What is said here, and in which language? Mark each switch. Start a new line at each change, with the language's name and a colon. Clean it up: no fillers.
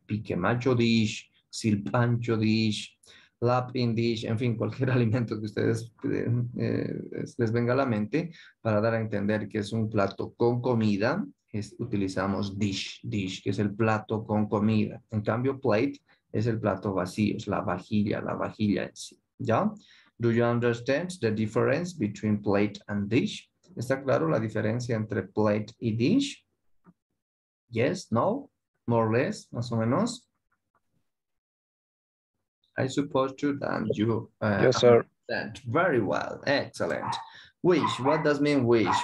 Spanish: Pique macho dish, silpancho dish, lapin dish, en fin, cualquier alimento que ustedes les venga a la mente para dar a entender que es un plato con comida, utilizamos dish, que es el plato con comida. En cambio, plate es el plato vacío, es la vajilla en sí. ¿Ya?
English: Do you understand the difference between plate and dish?
Spanish: ¿Está claro la diferencia entre plate y dish?
English: Yes, no, more or less,
Spanish: más o menos.
English: I suppose you and you yes, sir. Understand very well. Excellent. Wish, what does mean wish?